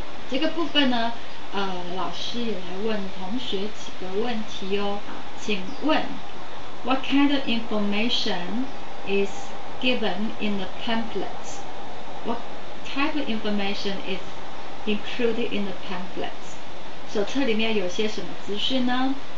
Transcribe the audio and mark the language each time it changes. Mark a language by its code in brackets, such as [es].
[zh] 这个部分呢老师也来问同学几个问题哦。请问 [en] What kind of information is given in the pamphlet? What type of information is included in the pamphlet? [zh] 手册里面有些什么资讯呢？